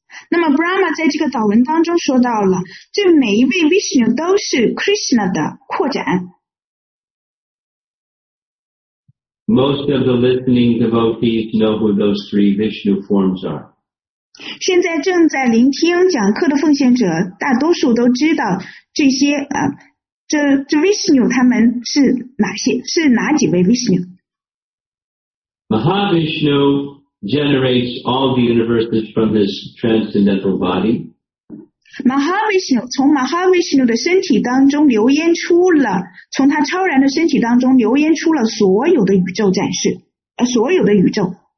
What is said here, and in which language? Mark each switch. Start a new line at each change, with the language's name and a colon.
Chinese: 那么 Brahma 在这个祷文当中说到了，这每一位 Vishnu 都是 Krishna 的扩展。
English: Most of the listening devotees know who those three Vishnu forms are.
Chinese: 现在正在聆听讲课的奉献者，大多数都知道这些啊，这 Vishnu 他们是哪些？是哪几位 Vishnu？
English: Mahavishnu generates all the universes from his transcendental body.
Chinese: Mahavishnu 从 Mahavishnu 的身体当中流焉出了，从他超然的身体当中流焉出了所有的宇宙展示，所有的宇宙。